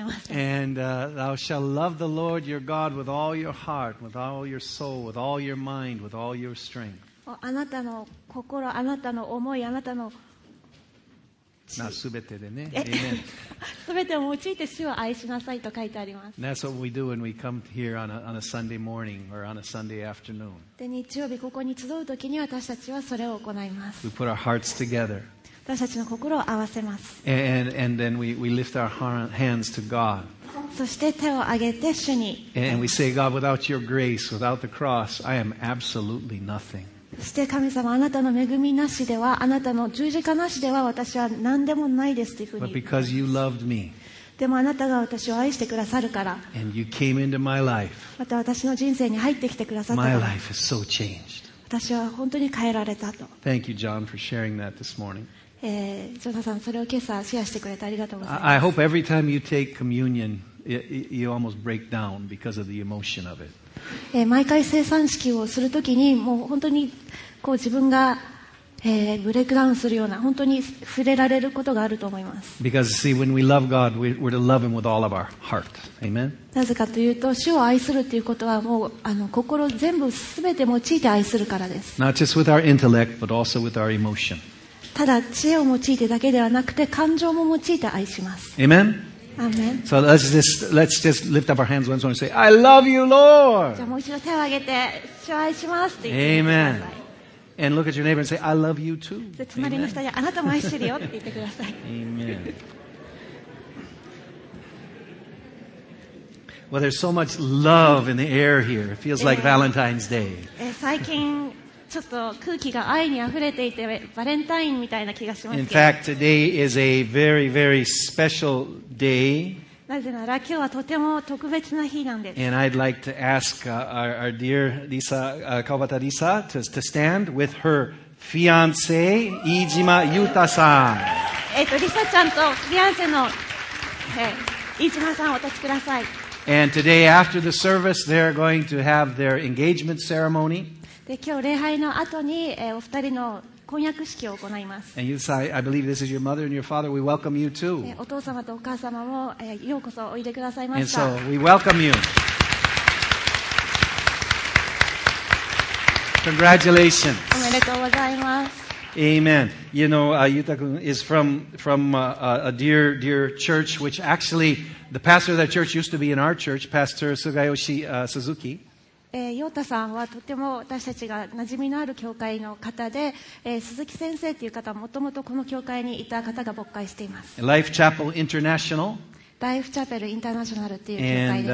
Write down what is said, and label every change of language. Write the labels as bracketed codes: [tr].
[en] And thou shalt love the Lord your God with all your heart, with all your soul, with all your mind, with all your strength. [ja] あなたの心、あなたの思い、あなたの血。すべてでね。すべてを用いて主を愛しなさいと書いてあります。 [en] That's what we do when we come here on a Sunday morning or on a Sunday afternoon. [ja] で、日曜日ここに集うときに私たちはそれを行います。 [en] We put our hearts together. [ja] 私たちの心を合わせます。 [en] And then we lift our hands to God. [ja] そして手を上げて主に。 [en] And we say, God, without your grace, without the cross, I am absolutely nothing. [ja] そして神様、あなたの恵みなしでは、あなたの十字架なしでは、私は何でもないですというふうに。 [en] But because you loved me. [ja] でもあなたが私を愛してくださるから。 [en] And you came into my life. [ja] また私の人生に入ってきてくださったから。 [en] My life is so changed. [ja] 私は本当に変えられたと。 [en] Thank you, John, for sharing that this morning. [ja] ジョナサン、それを今朝シェアしてくれてありがとうございます。 [en] I hope every time you take communion, you almost break down because of the emotion of it. [ja] 毎回聖餐式をするときに、もう本当にこう自分が、ブレイクダウンするような、本当に触れられることがあると思います。 [en] Because, see, when we love God, we're to love Him with all of our heart. Amen? [ja] なぜかというと、主を愛するということは、もう、心全部、すべて用いて愛するからです。 [en] Not just with our intellect, but also with our emotion. [ja] ただ、知恵を用いてだけではなくて、感情も用いて愛します。 [en] Amen? Amen? So let's just lift up our hands once more and say, I love you, Lord! [ja] じゃあ、もう一度手を挙げて、主を愛しますって言ってください [en] 。 Amen. And look at your neighbor and say, I love you too. [ja] 隣の人にあなたも愛してるよって言ってください。 [en] Amen. Well, there's so much love in the air here. It feels like Valentine's Day. [ja] 最近ちょっと空気が愛にあふれていて、バレンタインみたいな気がします。 [en] In fact, today is a very, very special day. [ja] なぜなら今日はとても特別な日なんです。 [en] And I'd like to ask our dear Lisa, Kawabata Lisa to stand with her fiancé, 飯島裕太さん。 [ja] Lisa ちゃんとフィアンセの、飯島さんお立ちください。 [en] And today after the service, they're going to have their engagement ceremony. [ja] で、今日礼拝の後に、お二人の婚約式を行います。 [en] And you say, I believe this is your mother and your father. We welcome you too. [ja] お父様とお母様も、ようこそおいでくださいました。 [en] And so we welcome you. Congratulations. [ja] おめでとうございます。 [en] Amen. You know, Yuta-kun is from a dear church, which actually the pastor of that church used to be in our church, Pastor Sugayoshi Suzuki. [ja] ヨータさんはとても私たちが馴染みのある教会の方で、鈴木先生という方はもともとこの教会にいた方が牧会しています。 [en] Life Chapel International. [ja] Life Chapel International っていう教会です。